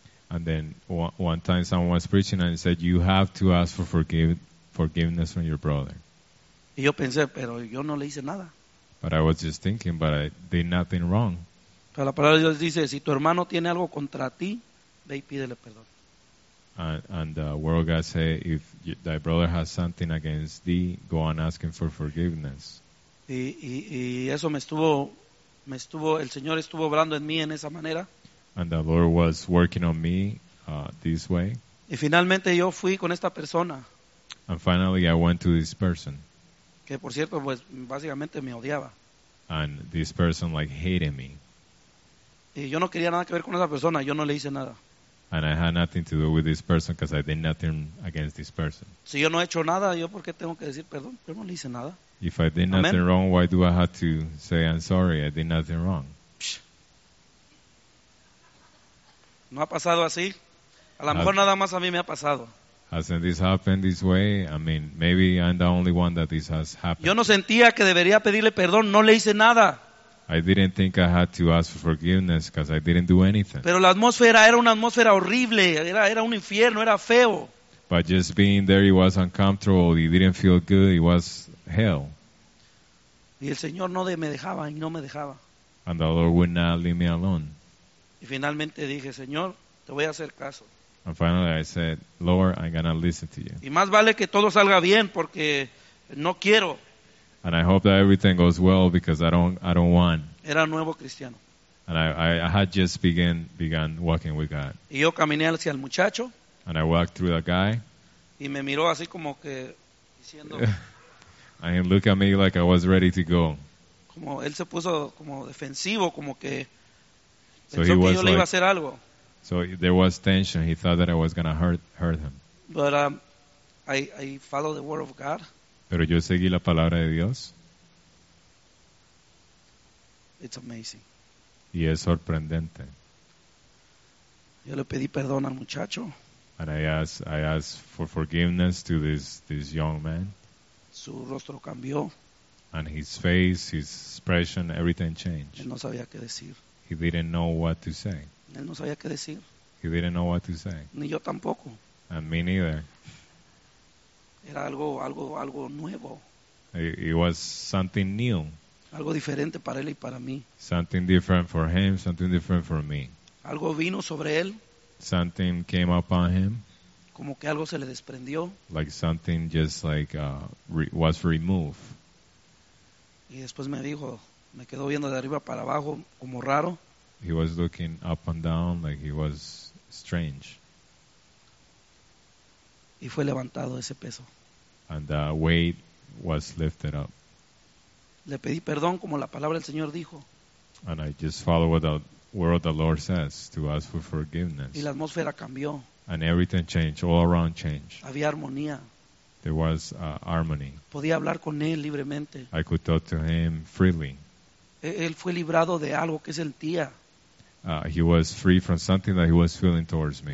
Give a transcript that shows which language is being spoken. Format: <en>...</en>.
<en>And then one time someone was preaching and said, you have to ask for forgiveness from your brother.</en> <es>Y yo pensé, pero yo no le hice nada.</es> <en>But I was just thinking, but I did nothing wrong.</en> <es>Pero la palabra de Dios dice, si tu hermano tiene algo contra ti, ve y pídele perdón.</es> <en>And the word of God say, if thy brother has something against thee, go and ask him for forgiveness.</en> <es>Y eso me estuvo, el Señor estuvo obrando en mí en esa manera.</es> <en>And the Lord was working on me this way.</en> <es>Y finalmente yo fui con esta persona.</es> <en>And finally I went to this person.</en> <es>Que por cierto, pues básicamente me odiaba.</es> <en>And this person like hated me.</en> <es>Y yo no quería nada que ver con esa persona, yo no le hice nada.</es> <en>And I had nothing to do with this person because I did nothing against this person.</en> <es>Si yo no he hecho nada, yo por qué tengo que decir perdón, yo no le hice nada.</es> <en>If I did nothing wrong, why do I have to say I'm sorry? I did nothing wrong.</en> <es>No ha pasado así. A lo mejor nada más a mí me ha pasado.</es> <en>Hasn't this happened this way? I mean, maybe I'm the only one that this has happened.</en> <es>Yo no sentía que debería pedirle perdón. No le hice nada.</es> <en>I didn't think I had to ask for forgiveness because I didn't do anything.</en> <es>Pero la atmósfera era una atmósfera horrible. Era un infierno. Era feo.</es> <en>But just being there, it was uncomfortable. It didn't feel good. It was hell.</en> <es>Y el Señor no me dejaba y no me dejaba.</es> <en>And the Lord would not leave me alone.</en> <es>Y finalmente dije, Señor, te voy a hacer caso.</es> <en>And finally I said, Lord, I'm going to listen to you.</en> <es>Y más vale que todo salga bien porque no quiero.</es> <en>And I hope that everything goes well because I don't want.</en> <es>Era nuevo cristiano.</es> <en>And I had just began walking with God.</en> <es>Y yo caminé hacia el muchacho.</es> <en>And I walked through the guy.</en> <es>Y me miró así como que diciendo.</es> <en>And he looked at me like I was ready to go.</en> <es>Como él se puso como defensivo, como que.</es> <en>So he was like,</en> <es>iba a hacer algo.</es> <en>So there was tension. He thought that I was going to hurt him. But I followed the word of God.</en> <es>Pero yo seguí la palabra de Dios.</es> <en>It's amazing.</en> <es>Y es sorprendente. Yo le pedí perdón al muchacho.</es> <en>And I asked for forgiveness to this young man.</en> <es>Su rostro cambió.</es> <en>And his face, his expression, everything changed.</en> <es>Él no sabía qué decir.</es> <en>He didn't know what to say.</en> <es>Él no sabía qué decir.</es> <en>He didn't know what to say.</en> <es>Ni yo tampoco.</es> <en>And me neither.</en> <es>Era algo nuevo.</es> <en>It was something new.</en> <es>Algo diferente para él y para mí.</es> <en>Something different for him, something different for me.</en> <es>Algo vino sobre él.</es> <en>Something came upon him.</en> <es>Como que algo se le desprendió.</es> <en>Like something just like was removed.</en> <es>Y después me dijo, me quedó viendo de arriba para abajo como raro.</es> <en>He was looking up and down like he was strange.</en> <es>Y fue levantado ese peso.</es> <en>And the weight was lifted up.</en> <es>Le pedí perdón como la palabra del Señor dijo.</es> <en>And I just followed what the word of the Lord says to ask for forgiveness.</en> <es>Y la atmósfera cambió.</es> <en>And everything changed, all around changed.</en> <es>Había armonía.</es> <en>There was harmony.</en> <es>Podía hablar con él libremente.</es> <en>I could talk to him freely.</en> <es>Él fue librado de algo que sentía.</es> <en>He was free from something that he was feeling towards me.</en>